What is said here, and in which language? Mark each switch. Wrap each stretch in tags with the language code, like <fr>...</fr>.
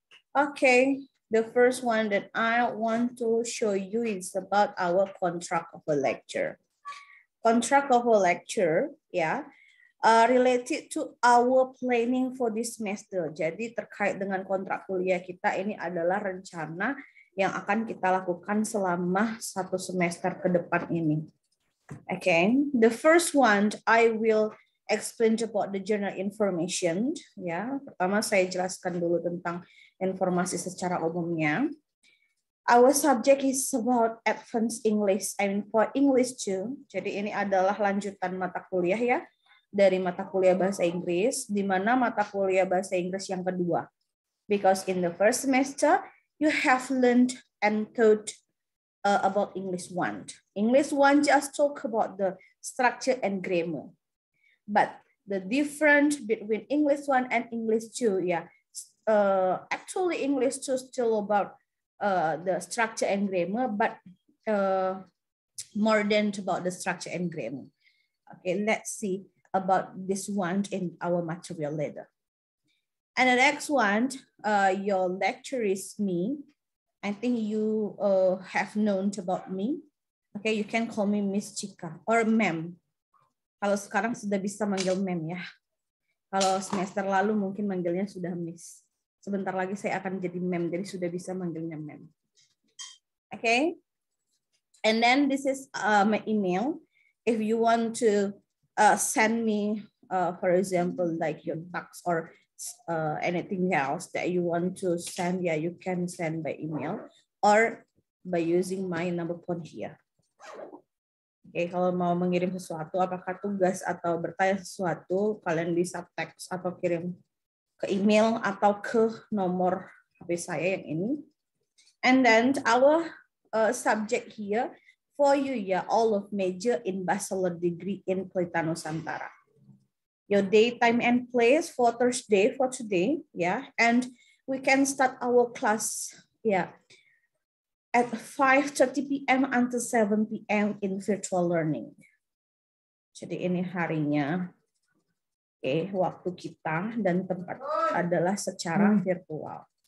<en>Okay, the first one that I want to show you is about our contract of a lecture. Contract of a lecture, yeah, related to our planning for this semester.</en> <id>Jadi terkait dengan kontrak kuliah kita, ini adalah rencana yang akan kita lakukan selama satu semester ke depan ini.</id> <en>Okay, the first one I will explain about the general information.</en> <id>Yeah, pertama saya jelaskan dulu tentang informasi secara umumnya.</id> <en>Our subject is about advanced English, I mean for English too.</en> <id>Jadi ini adalah lanjutan mata kuliah ya, dari mata kuliah bahasa Inggris, di mana mata kuliah bahasa Inggris yang kedua.</id> <en>Because in the first semester, you have learned and taught about English 1. English 1 just talk about the structure and grammar. But the difference between English 1 and English 2, yeah, actually English 2 still about the structure and grammar, but more than about the structure and grammar. Okay, let's see about this one in our material later. And the next one, your lecturer is me. I think you have known about me. Okay, you can call me Miss Chika or Ma'am.</en> <id>Kalau sekarang sudah bisa manggil Ma'am ya. Kalau semester lalu mungkin manggilnya sudah Miss. Sebentar lagi saya akan jadi mem, jadi sudah bisa manggilnya mem.</id> <en>Okay. And then this is my email. If you want to send me, for example, like your fax or anything else that you want to send, yeah, you can send by email or by using my number phone here.</en> <id>Okay, kalau mau mengirim sesuatu, apakah tugas atau bertanya sesuatu, kalian bisa text atau kirim ke email atau ke nomor HP saya yang ini.</id> <en>And then our subject here 4 years, yeah, all of major in bachelor degree in Pelita Nusantara. Your day, time, and place for Thursday, for today, yeah, and we can start our class, yeah, at 5:30 p.m. until 7 p.m. in virtual learning.</en> <id>Jadi ini harinya, okay, waktu kita dan tempat adalah secara virtual.</id>